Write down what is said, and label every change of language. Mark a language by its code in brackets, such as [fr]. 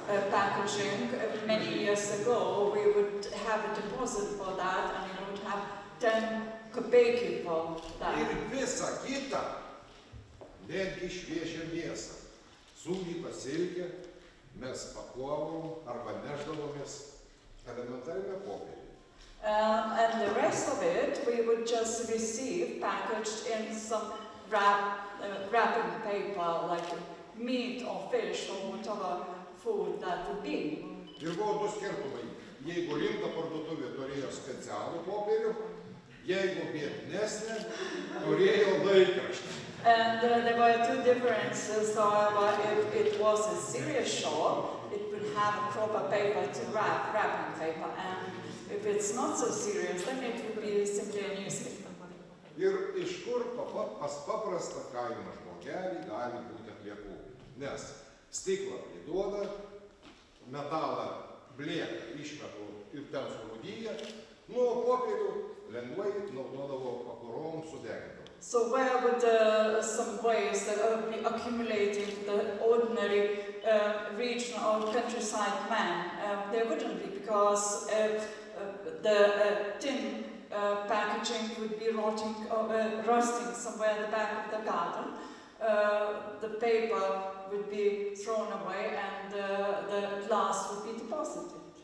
[en] Packaging many years ago, we would have a deposit for that and we would have 10 kapeikų for that. [lt] Ir visa kita, netgi šviežia mėsa, sūdyta silkė, mes pakuovom arba neždavomės elementarime popierį. [en] And the rest of it we would just receive packaged in some wrapping paper, like meat or fish or whatever food that would be. [lt] Ir buvo du skirtumai. Jeigu rimta parduotuvė turėjo specialų popierių, jeigu biednesnė, turėjo laikraštį. [en] And there were two differences, however, if it was a serious shop, it would have a proper paper to wrap, wrapping paper, and if it's not so serious, then it would be simply a newspaper. [lt] Ir iš kur pas paprastą kaimo žmogelį gali būti atliekų, nes stiklą priduoda, metalą blėka išmetų ir ten surūdyja, nuo popierių lengvai naudodavo pakurom sudegintą. [en] So where would some waste that would be accumulating the ordinary region or countryside man? There wouldn't be, because if the tin packaging would be rotting or rusting somewhere in the back of the garden, the paper would be thrown away and the glass would be deposited.